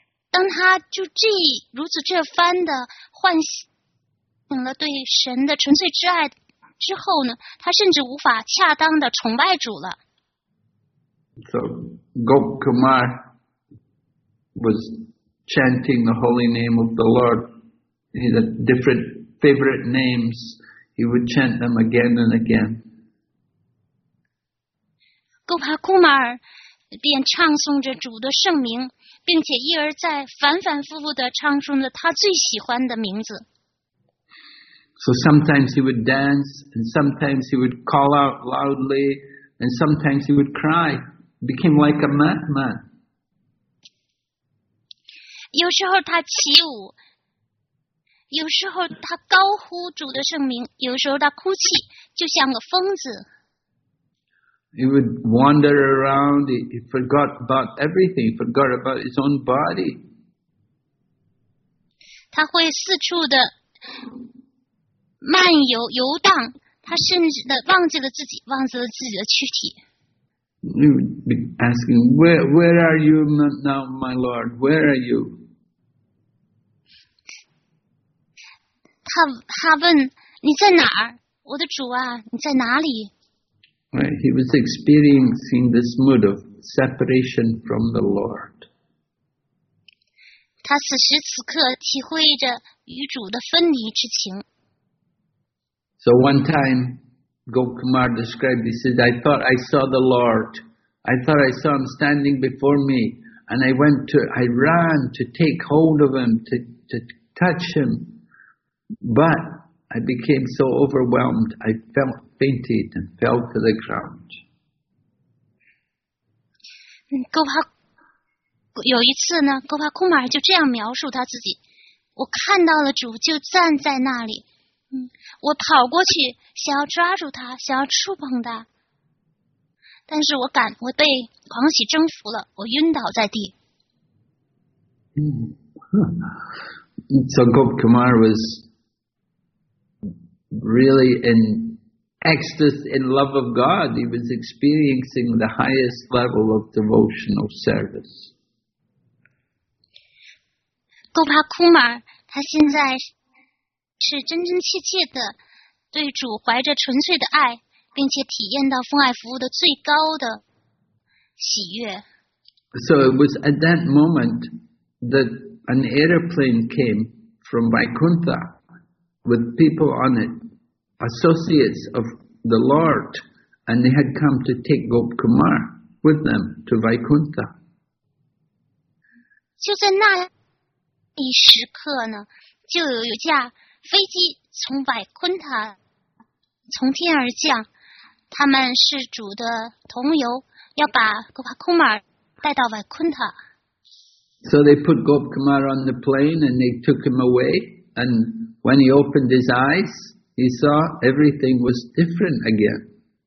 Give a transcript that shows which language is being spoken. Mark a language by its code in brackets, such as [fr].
[zh] 当他就这如此这番的唤醒了对神的纯粹之爱之后呢，他甚至无法恰当的崇拜主了。 [en] So Gopakumar was chanting the holy name of the Lord. He had different favorite names. He would chant them again and again. [zh] Gopakumar便唱诵着主的圣名，并且一而再、反反复复地唱诵着他最喜欢的名字。 [en] So sometimes he would dance, and sometimes he would call out loudly, and sometimes he would cry, became like a madman. [zh] 有时候他起舞，有时候他高呼主的圣名，有时候他哭泣，就像个疯子。 [en] He would wander around, he forgot about everything, forgot about his own body. [zh] 他会四处的漫游游荡，他甚至的忘记了自己，忘记了自己的躯体。 [en] He would be asking, where are you now, my Lord? Where are you? [zh] 他问，你在哪儿？我的主啊，你在哪里？ [en] Right, he was experiencing this mood of separation from the Lord. [zh] 他此时此刻体会着与主的分离之情。 [en] So one time, Gokumar described, he said, I thought I saw the Lord. I thought I saw him standing before me. And I ran to take hold of him, to touch him. But I became so overwhelmed, I felt fainted and fell to the ground. [zh] 有一次呢，戈帕库马尔就这样描述他自己：我看到了主就站在那里，我跑过去想要抓住他，想要触碰他，但是我被狂喜征服了，我晕倒在地。 [en] So Gopakumar was really in ecstasy, in love of God. He was experiencing the highest level of devotional service. [zh] Gopakumar, 他现在是真真切切的对主怀着纯粹的爱，并且体验到奉爱服务的最高的喜悦。 [en] So it was at that moment that an airplane came from Vaikuntha with people on it, associates of the Lord, and they had come to take Gopakumar with them to Vaikuntha. [zh] 就在那一时刻呢，就有一架飞机从百昆塔从天而降，他们是主的同游，要把戈帕库马尔带到百昆塔。 [en] So they put Gopakumar on the plane and they took him away. And when he opened his eyes, he saw everything was different again.